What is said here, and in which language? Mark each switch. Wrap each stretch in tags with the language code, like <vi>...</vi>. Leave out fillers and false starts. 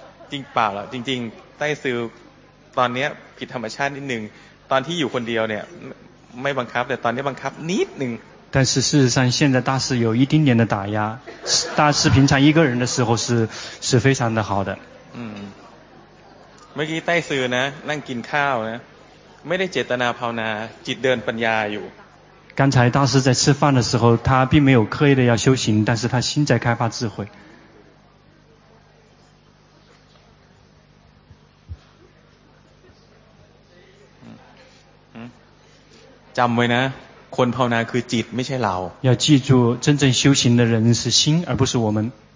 <th>จริงเปล่าหรอจริงๆใต้ซื้อตอนนี้ผิดธรรมชาตินิดนึงตอนที่อยู่คนเดียวเนี่ยไม่บังคับแต่ตอนนี้บังคับนิดนึง</th> <zh>但是事实上现在大师有一丁点的打压大师平常一个人的时候是非常的好的</zh> <th>เมื่อกี้ใต้ซื้อนะนั่งกินข้าวนะไม่ได้เจตนาภาวนาจิตเดินปัญญาอยู่</th> <zh>刚才大师在吃饭的时候他并没有刻意的要修行但是他心在开发智慧</zh> <th>จำไว้นะคนภาวนาคือจิตไม่ใช่เรา</th> <zh>要记住真正修行的人是心而不是我们</zh>